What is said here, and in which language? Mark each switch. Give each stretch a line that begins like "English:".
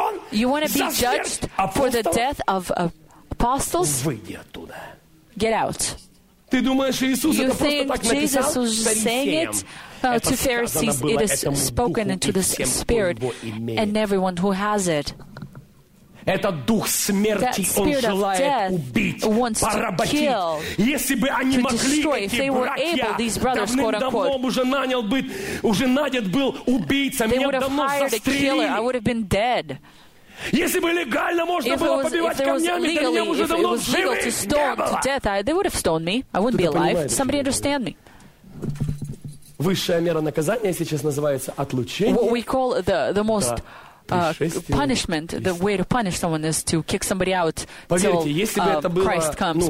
English: You want to be judged for the death of apostles? Get out. You think Jesus was saying it? To Pharisees, it is spoken into the spirit and everyone who has it.
Russian: Это дух смерти, он желает убить, поработить. Если бы они могли, эти братья, давным-давно уже нанял бы, уже нанят был убийца, меня давно застрелили. Если бы легально можно было побивать камнями, то меня уже давно живы не было.
English: They would have stoned me, I wouldn't be alive. Somebody understand me.
Russian: Высшая мера наказания сейчас называется отлучение.
English: What we call the most... punishment, the way to punish someone is to kick somebody out till Christ comes.